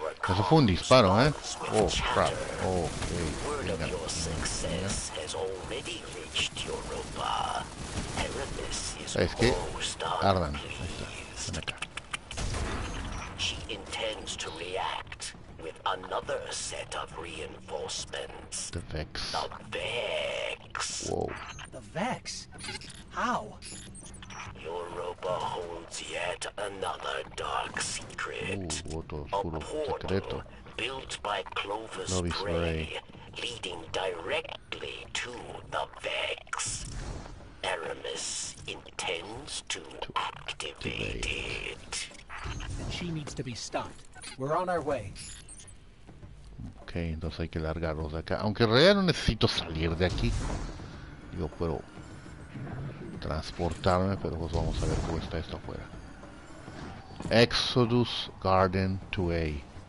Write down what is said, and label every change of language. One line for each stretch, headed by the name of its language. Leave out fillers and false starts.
Spanish: Eso fue un disparo,
English: Oh, crap. Oh, okay. Word of your success has already reached Europa. Aramis is
Spanish: es que Ardan. Ven acá.
English: She intends to react with another set of reinforcements. The Vex. The Vex. Whoa. The Vex? How? Europa holds yet another dark secret.
Spanish: Otro oscuro secreto.
English: Built by Clovis Gray, leading directly to the Vex. Aramis intends to activate it. And she needs to be stopped. We're on our way.
Spanish: Okay, entonces hay que largarnos de acá. Aunque en realidad no necesito salir de aquí. Digo, pero transportarme, pero pues vamos a ver cómo está esto afuera. Exodus Garden 2A.